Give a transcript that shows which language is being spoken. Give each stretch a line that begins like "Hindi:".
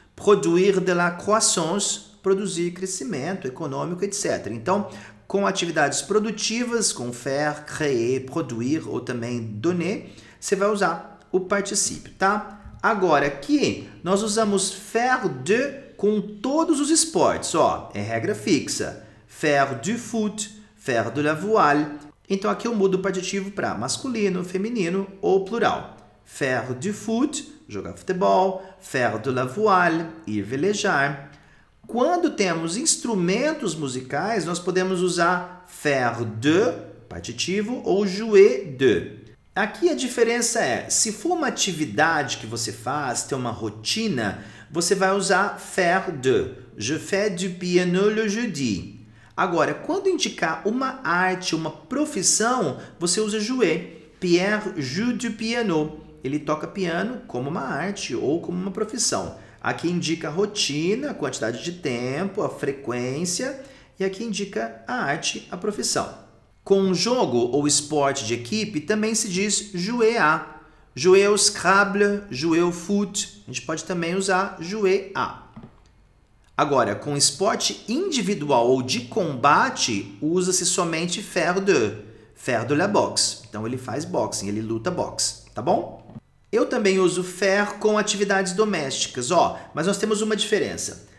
French: Produire de la croissance,
Portuguese: produzir crescimento econômico,
French: etc.
Portuguese: Então, com atividades produtivas, com faire, créer, produire ou também donner, você vai usar o particípio, tá? Agora aqui nós usamos faire de com todos os esportes, ó, é regra fixa.
French: Faire du foot, faire de la voile.
Portuguese: Então aqui eu mudo o particípio para masculino, feminino ou plural.
French: Faire du foot,
Portuguese: jogar futebol,
French: faire de la voile,
Portuguese: ir velejar. Quando temos instrumentos musicais, nós podemos usar faire de, partitivo, ou jouer de. Aqui a diferença é, se for uma atividade que você faz, ter uma rotina, você vai usar faire de.
French: Je fais du piano le jeudi.
Portuguese: Agora, quando indicar uma arte, uma profissão, você usa jouer.
French: Pierre joue du piano.
Portuguese: Ele toca piano como uma arte ou como uma profissão. Aqui indica a rotina, a quantidade de tempo, a frequência, e aqui indica a arte, a profissão. Com jogo ou esporte de equipe, também se diz jouer à.
French: Jouer au Scrabble, jouer au foot.
Portuguese: A gente pode também usar jouer à. Agora, com esporte individual ou de combate, usa-se somente
French: faire de la boxe.
Portuguese: Então ele faz boxing, ele luta boxe, tá bom? Eu também uso faire com atividades domésticas, ó, mas nós temos uma diferença.